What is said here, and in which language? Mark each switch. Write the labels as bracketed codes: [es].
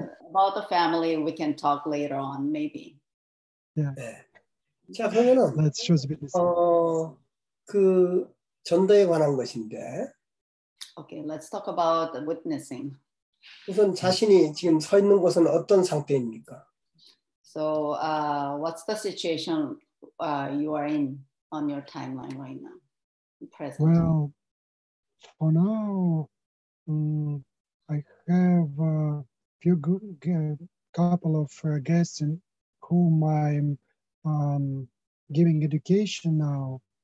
[en] about the family, we can talk later on, maybe. Yeah. [ko] 자, 그러면은, [en] let's choose a bit. [ko] 그 전도에 관한 것인데. [en] Okay, let's talk about the witnessing. [ko] 우선 자신이 지금 서 있는 곳은 어떤 상태입니까? [en] So, what's the situation you are in on your timeline right now? Present. Well, for now, I have a few couple of guests in whom I'm giving education now.